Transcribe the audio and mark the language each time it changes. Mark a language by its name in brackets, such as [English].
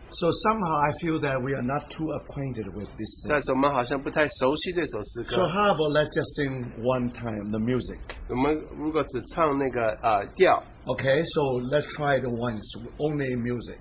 [English] So somehow I feel that we are not too acquainted with this song. [Chinese] 但是我们好像不太熟悉这首诗歌。 [English] So how about let's just sing one time the music? [Chinese] 我们如果只唱那个调。 [English] Okay, so let's try the ones only music.